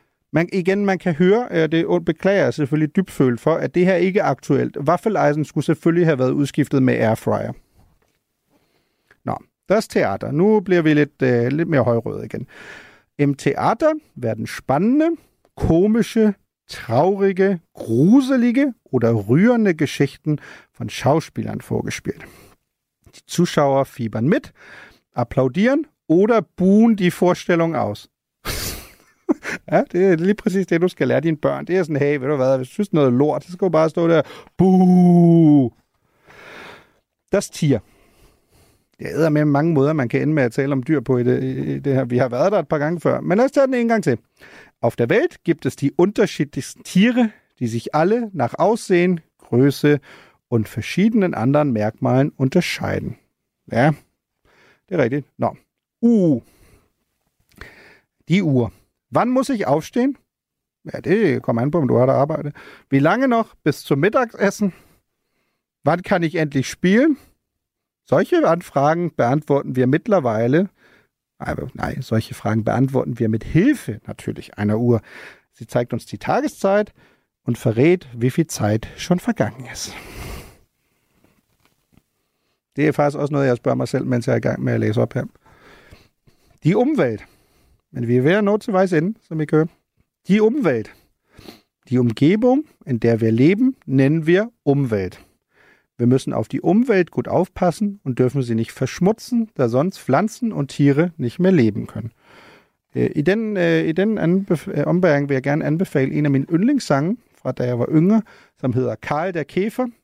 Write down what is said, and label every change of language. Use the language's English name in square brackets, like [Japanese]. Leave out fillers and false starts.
[German] Man kann hören, und [Danish] beklager jeg selvfølgelig dybfølt for, at det her ikke er aktuelt. Waffeleisen skulle selvfølgelig have været udskiftet med Airfryer. Nå, [German] das Theater. [Danish] Nu bliver vi lidt mere højrøde igen. [German] Im Theater werden spannende, komische, traurige, gruselige oder rührende Geschichten von Schauspielern vorgespielt. Die Zuschauer fiebern mit, applaudieren oder buhen die Vorstellung aus. [Danish] Ja, det er lige præcis det, du skal lære dine børn. Det er sådan, hey, ved du hvad, hvis du synes noget lort, så skal du bare stå der, buh. [German] Das Tier. [Danish] Det er med mange måder, man kan ende med at tale om dyr på i det her. Vi har været der et par gange før, men lad os tage den en gang til. [German] Auf der Welt gibt es die unterschiedlichsten Tiere, die sich alle nach Aussehen, Größe und verschiedenen anderen Merkmalen unterscheiden. [Danish] Ja, det er rigtigt. Nå. [German] Die Uhr. Wann muss ich aufstehen? [Danish] Ja, det kommer an på, om du har der arbejde. [German] Wie lange noch bis zum Mittagessen? Wann kann ich endlich spielen? Solche Anfragen beantworten wir mittlerweile. Nein, solche Fragen beantworten wir mit Hilfe natürlich einer Uhr. Sie zeigt uns die Tageszeit und verrät, wie viel Zeit schon vergangen ist. [Danish] Det er faktisk også noget, jeg spørger mig selv, mens jeg er i gang med at læse op her. [German] Die Umwelt. [Danish] Men vi er ved at nå til vejs ende, som I kører. [German] Die Umwelt. Die Umgebung, in der wir leben, nennen wir Umwelt. Wir müssen auf die Umwelt gut aufpassen und dürfen sie nicht verschmutzen, da sonst Pflanzen und Tiere nicht mehr leben können. [Danish] Ombæring vil jeg gerne anbefale en af mine yndlingssange, fra da jeg var yngre, som hedder Karl der Kæfer.